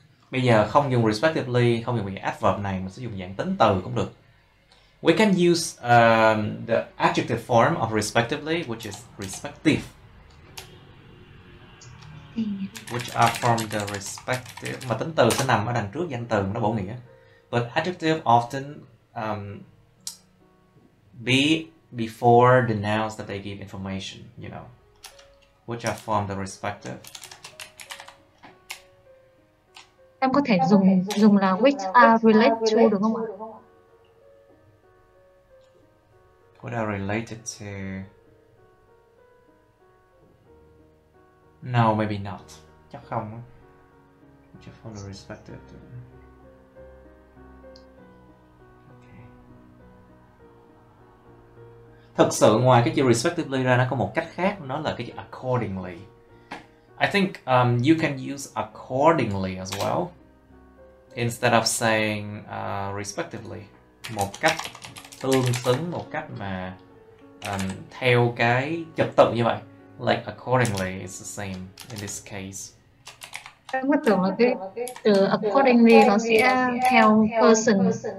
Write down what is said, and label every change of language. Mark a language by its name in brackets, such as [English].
[Vietnamese] Bây giờ không dùng respectively, không dùng cái adverb này mà sử dụng dạng tính từ cũng được. [English] We can use the adjective form of respectively, which is respective. Which are from the respective. [Vietnamese] Mà tính từ sẽ nằm ở đằng trước danh từ, nó bổ nghĩa. [English] But adjective often be before the nouns that they give information, you know. Which are from the respective. [Vietnamese] Em có thể dùng là [English] which are related to, [Vietnamese] đúng không ạ? [English] What are related to? No, maybe not. [Vietnamese] Chắc không. [English] Which are from the respective. To... [Vietnamese] Thực sự ngoài cái chữ respectively ra nó có một cách khác, nó là cái chữ accordingly. [English] I think you can use accordingly as well instead of saying respectively. [Vietnamese] Một cách tương xứng, một cách mà theo cái trật tự như vậy. [English] Like accordingly is the same in this case. [Vietnamese] Em tưởng là cái từ accordingly nó sẽ theo person.